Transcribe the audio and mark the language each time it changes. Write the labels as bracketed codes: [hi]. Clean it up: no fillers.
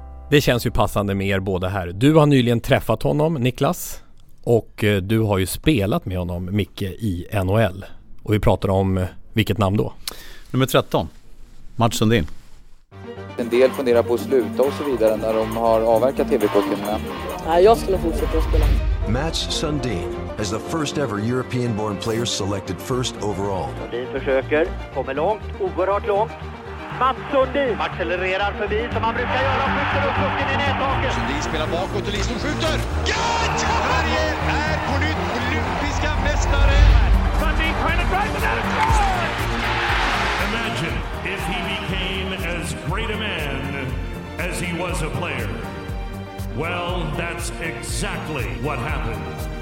[sv] Det känns ju passande med er båda här. Du har nyligen träffat honom, Niklas. Och du har ju spelat med honom, Micke, i NHL. Och vi pratar om vilket namn då? Nummer 13, Mats Sundin. En del funderar på att sluta och så vidare när de har avverkat TV-kortet. Nej, jag skulle fortsätta att spela. [en] Mats Sundin as the first ever European born player selected first overall. [sv] Sundin försöker, kommer långt, oerhört långt. Mats Sundin accelererar förbi som han brukar göra, skjuter upp pucken i nättaket. Sundin spelar bakåt och Lisson skjuter. Gott! Sverige är på nytt olympiska mästare. [en] Sundin trying to drive the net. Imagine if he became as great a man as he was a player. Well, that's exactly what happened.